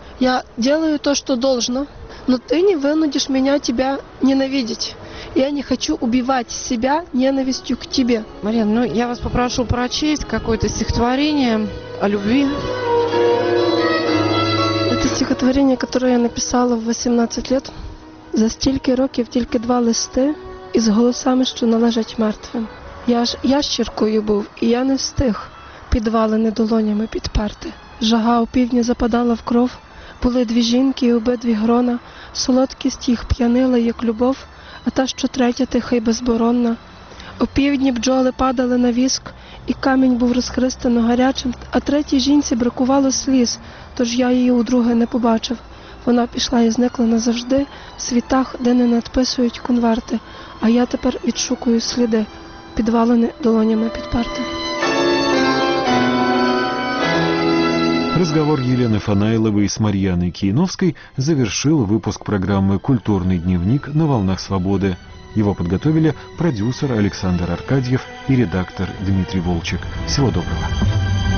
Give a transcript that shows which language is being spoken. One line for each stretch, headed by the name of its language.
Russian: Я делаю то, что должно, но ты не вынудишь меня тебя ненавидеть. Я не хочу убивать себя ненавистью к тебе. Марина, ну я вас попрошу прочесть какое-то стихотворение. о любви. Это стихотворение, которое я написала в 18 лет.
Ukrainian: За стільки років тільки два листи із голосами, що належать мертвим. Я ж ящіркою був, і я не встиг підвалини долонями підперти. Жага у півдні западала в кров, були дві жінки і обидві грона. Солодкість їх п'янила, як любов, а та, що третя, тиха й безборонна. У півдні бджоли падали на віск, і камінь був розхристано гарячим, а третій жінці бракувало сліз, тож я її удруге не побачив. Вона пішла і зникла назавжди в світах, де не надписують конверти, а я тепер відшукую сліди, підвалені долонями підперти.
Russian: Разговор Елены Фанайловой с Марьяной Кийновской завершил выпуск программы «Культурный дневник на волнах свободы». Его подготовили продюсер Александр Аркадьев и редактор Дмитрий Волчек. Всего доброго!